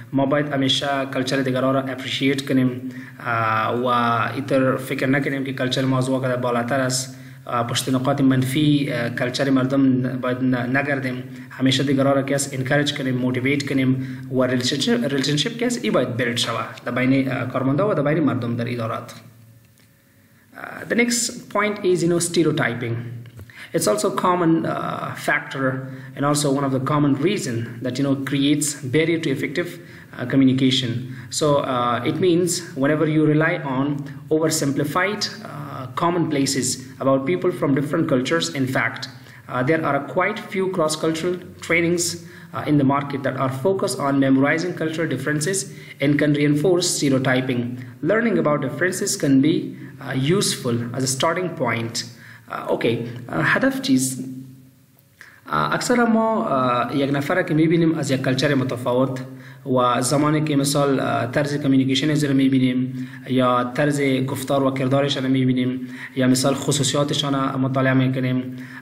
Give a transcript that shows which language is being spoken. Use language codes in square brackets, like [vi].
[fa] ما باید همیشه کلچر دیگران را اپریشیت کنیم و ایتر فکر نکنیم که کلچر ما از واقع در بالاتر است. پشت نقاط منفی کلچر مردم باید نگردیم. همیشه دیگران را کس انکاریج کنیم موتیویت کنیم و ریلیشنشپ کس ای باید بیلد شوه در بین کارمنده و در بین مردم در ادارات. [en] The next point is, you know, stereotyping. It's also a common factor and also one of the common reasons that, you know, creates barrier to effective communication. So it means whenever you rely on oversimplified commonplaces about people from different cultures, in fact, there are quite few cross-cultural trainings in the market that are focused on memorizing cultural differences and can reinforce stereotyping. Learning about differences can be useful as a starting point. [fa] هدف چیز اکثر ما یک نفر که میبینیم از یک کلچر متفاوت و زمانی که مثال طرز کمیونیکیشن از رو میبینیم یا طرز گفتار و کردارشان رو میبینیم یا مثال خصوصیاتشان رو مطالعه میکنیم